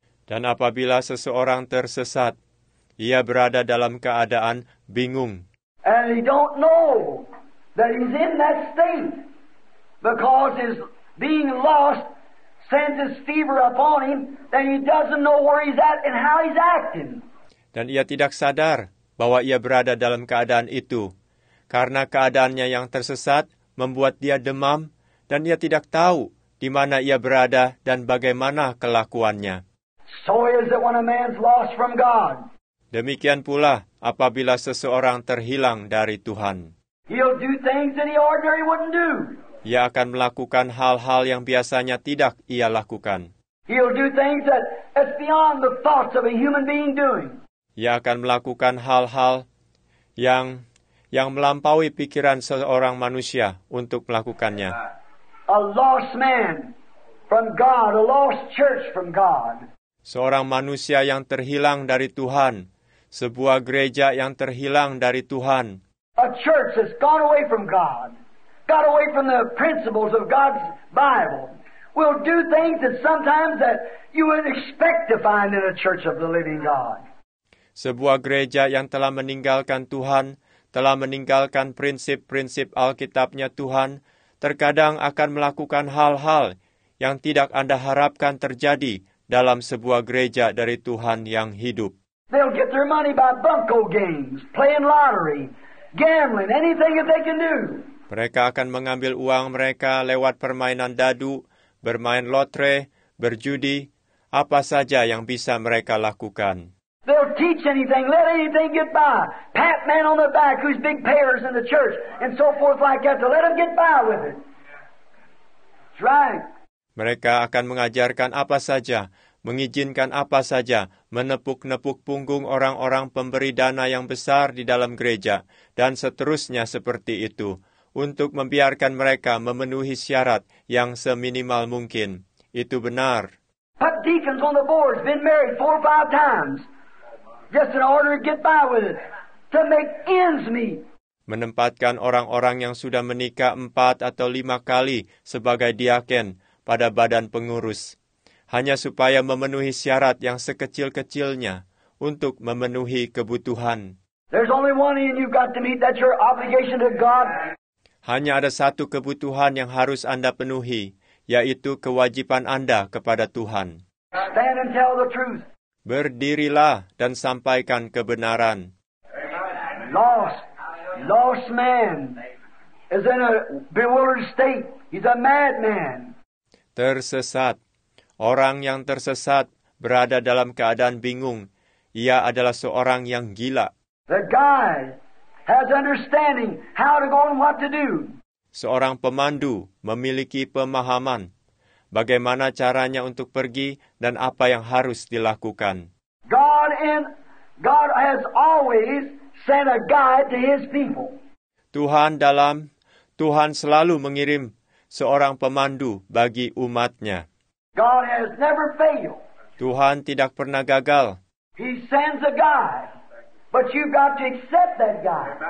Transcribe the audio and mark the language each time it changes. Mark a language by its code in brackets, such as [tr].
[id] Dan apabila seseorang tersesat, ia berada dalam keadaan bingung. [en] And he don't know that he's in that state because his being lost sends his fever upon him, and he doesn't know where he's at and how he's acting. [id] Dan ia tidak sadar bahwa ia berada dalam keadaan itu, karena keadaannya yang tersesat membuat dia demam, dan ia tidak tahu di mana ia berada dan bagaimana kelakuannya. [en] So is it when a man's lost from God. [id] Demikian pula apabila seseorang terhilang dari Tuhan. [en] He'll do things that he ordinarily wouldn't do. [id] Ia akan melakukan hal-hal yang biasanya tidak ia lakukan. [en] He'll do things that is beyond the thoughts of a human being doing. [id] Ia akan melakukan hal-hal yang melampaui pikiran seorang manusia untuk melakukannya. [en] A lost man from God, a lost church from God. [id] Seorang manusia yang terhilang dari Tuhan, sebuah gereja yang terhilang dari Tuhan. [en] A church that's gone away from God. Got away from the principles of God's Bible. Will do things that sometimes that you would expect to find in a church of the living God. [id] Sebuah gereja yang telah meninggalkan Tuhan, telah meninggalkan prinsip-prinsip Alkitabnya Tuhan, terkadang akan melakukan hal-hal yang tidak Anda harapkan terjadi dalam sebuah gereja dari Tuhan yang hidup. [en] They'll get their money by bunco games, playing lottery, gambling, anything that they can do. [id] Mereka akan mengambil uang mereka lewat permainan dadu, bermain lotre, berjudi, apa saja yang bisa mereka lakukan. [en] They'll teach anything, let anything get by. Pat man on the back who's big payers in the church and so forth like that to let them get by with it. That's right. [id] Mereka akan mengajarkan apa saja, mengizinkan apa saja, menepuk-nepuk punggung orang-orang pemberi dana yang besar di dalam gereja, dan seterusnya seperti itu, untuk membiarkan mereka memenuhi syarat yang seminimal mungkin. Itu benar. [en] Put deacons on the board, been married 4 or 5 times, just in order to get by with it, to make ends meet. [id] Menempatkan orang-orang yang sudah menikah 4 atau 5 kali sebagai diaken pada badan pengurus, hanya supaya memenuhi syarat yang sekecil-kecilnya untuk memenuhi kebutuhan. [en] There's only one and you've got to meet, that's your obligation to God. [id] Hanya ada satu kebutuhan yang harus Anda penuhi, yaitu kewajiban Anda kepada Tuhan. [en] Stand and tell the truth. [id] Berdirilah dan sampaikan kebenaran. [en] Lost man is in a bewildered state. He's a madman. [id] Tersesat. Orang yang tersesat berada dalam keadaan bingung. Ia adalah seorang yang gila. [en] The guy has understanding how to go and what to do. [id] Seorang pemandu memiliki pemahaman bagaimana caranya untuk pergi dan apa yang harus dilakukan. [en] God has always sent a guide to his people. [id] Tuhan selalu mengirim seorang pemandu bagi umatnya. [en] God has never failed. [id] Tuhan tidak pernah gagal. [en] He sends a guide. But you've got to accept that guy.